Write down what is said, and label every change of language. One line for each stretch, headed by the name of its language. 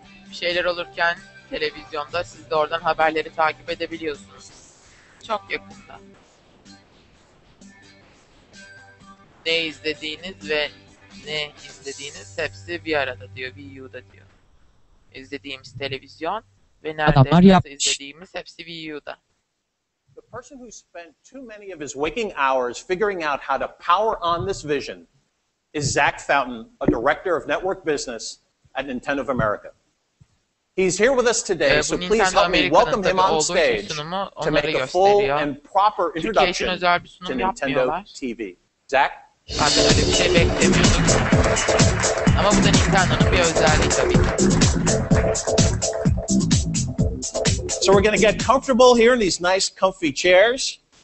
Turkish: Bir şeyler olurken televizyonda siz de oradan haberleri takip edebiliyorsunuz. Çok yakında. Ne izlediğiniz ve ne izlediğiniz hepsi bir arada diyor, Wii U'da diyor. İzlediğimiz televizyon ve nerede izlediğimiz hepsi Wii U'da.
English: The person who spent too many of his waking hours figuring out how to power on this vision is Zach Fountain, a director of network business at Nintendo of America. He's here with us today, so please help me welcome him on stage to make a full and proper introduction to Nintendo TV. Zach?
Turkish: Ben de öyle bir şey beklemiyordum. Ama bu da Nintendo'nun bir özelliği tabii ki.
English: So we're going to get comfortable here in these nice comfy chairs.